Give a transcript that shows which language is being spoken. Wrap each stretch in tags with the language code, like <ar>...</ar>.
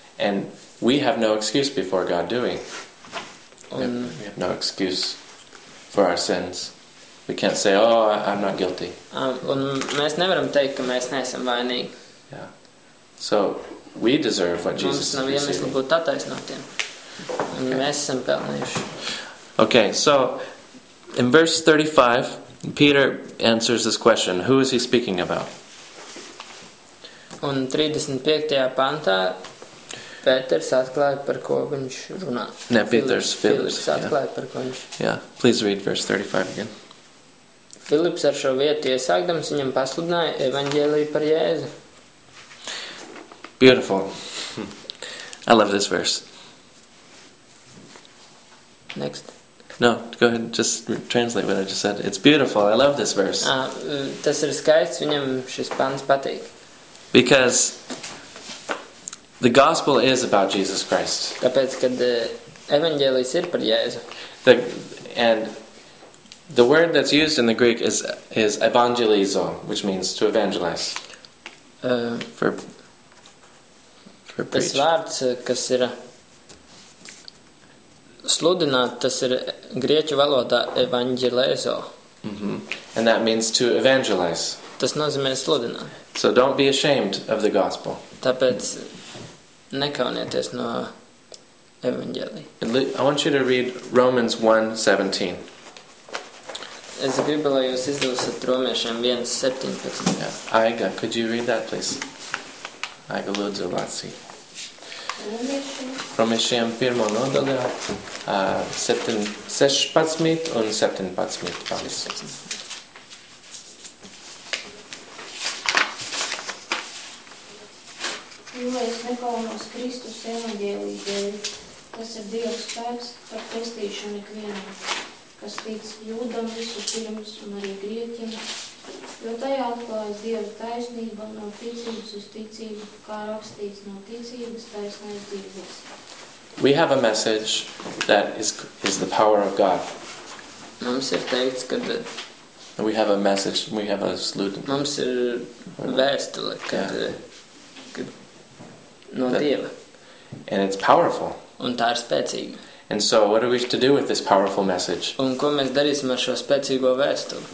<en>And we have no excuse before God, do we? We have no excuse for our sins. We can't say, oh, I'm not guilty.</en> <lv>Un mēs nevaram teikt, ka mēs neesam vainīgi.</lv> <en>Yeah. So, we deserve what Jesus received.</en> <lv>Mums nav iemesli būt attaisnotiem. Un mēs esam pelnījuši.</lv> <en>Okay, so, in verse 35, Peter answers this question. Who is he speaking about?</en> <lv>Un 35. Pantā Pēters atklāja, par ko viņš runā. Ne, Pēters, Filips atklāja, par ko viņš...</lv> <en>Yeah, please read verse 35 again.</en> <lv>Filips ar šo vietu iesākdams viņam pasludināja evaņģēliju par Jēzu.</lv> <en>Beautiful. I love this verse. Next. No, go ahead, just translate what I just said. It's beautiful, I love this verse.</en> <lv>Tas ir skaists, viņam šis pants patīk.</lv> <en>Because the gospel is about Jesus Christ.</en> <lv>Tāpēc, kad evaņģēlijs ir par Jēzu.</lv> <en>The word that's used in the Greek is evangelizo, which means to evangelize. For</en> <lv>preach. Tas vārds, kas ir sludināt, tas ir grieķu valodā evangelizo. Mm-hmm.</lv> <en>And that means to evangelize.</en> <lv>Tas nozīmē sludināt.</lv> <en>So don't be ashamed of the gospel.</en> <lv>Tāpēc nekaunieties no evaņģēlija.</lv> <en>I want you to read Romans 1:17.</en> <lv>Es gribu, lai jūs izlasat Romiešiem 1:17.</lv> <en>Aiga, could you read that, please? Aiga,</en> <lv>lūdzu, lāci. Romiešiem pirmo nodaļā 16 un 17 pāris. Jo es nekaunos Kristus evaņģēlī dēļ, tas ir Dieva spēks par pestīšanu ikvienam, kas tic jūdam visu pirms un arī grieķim, jo tajā atklājas Dieva taisnība no ticības uz ticību, kā rakstīts no ticības taisnais dzīves.</lv> <en>We have a message that is the power of God.</en> <lv>Mums ir teikts, ka</lv> <en>we have a message, we have a sludin.</en> <lv>Mums ir vēstule, kad no Dieva.</lv> <en>And it's powerful.</en> <lv>Un tā ir spēcīga.</lv> <en>And so what are we to do with this powerful message?</en> <lv>Un ko mēs darīsim ar šo spēcīgo vēstuli?</lv>